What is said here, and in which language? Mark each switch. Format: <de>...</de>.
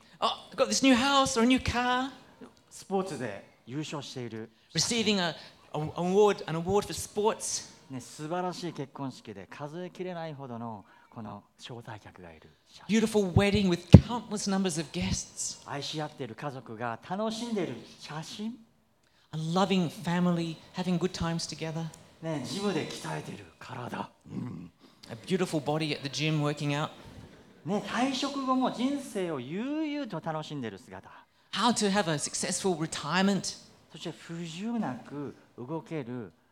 <en>Oh, I've got this new house or a new car.</en> <ja>スポーツで優勝している。</ja> <en>Receiving an award for sports.</en> <ja>ね、素晴らしい結婚式で数え切れないほどのこの招待客がいる。</ja> <en>Beautiful wedding with countless numbers of guests.</en> <ja>愛し合っている家族が楽しんでいる写真。</ja> <en>A loving family having good times together.</en> <ja>ね、ジムで鍛えている体。</ja> <en>A beautiful body at the gym working out.</en> <ja>ね、退職後も人生を悠々と楽しんでいる姿。</ja> <en>How to have a successful retirement.</en> <ja>そして不自由なく動ける。</ja>